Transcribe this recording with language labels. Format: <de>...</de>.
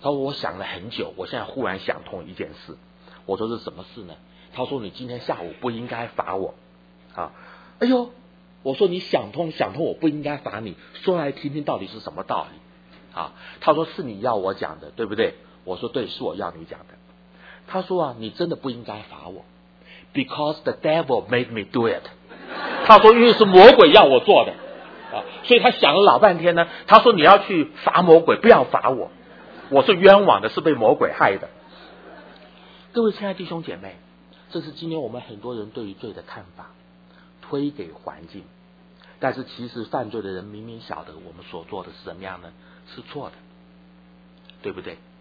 <zh>她说：“我想了很久，我现在忽然想通一件事。”我说：“是什么事呢？” 他说你今天下午不应该罚我。啊，哎呦，我说你想通想通，我不应该罚你，说来听听到底是什么道理。啊，他说是你要我讲的，对不对？我说对，是我要你讲的。他说啊，你真的不应该罚我 ，</zh> <en>because the devil made me do it。</en> <zh>他说因为是魔鬼要我做的。啊，所以他想了老半天呢，他说你要去罚魔鬼，不要罚我，我是冤枉的，是被魔鬼害的。各位亲爱弟兄姐妹，这是今天我们很多人对于罪的看法，推给环境，但是其实犯罪的人明明晓得我们所做的是怎么样呢，是错的，对不对？</zh>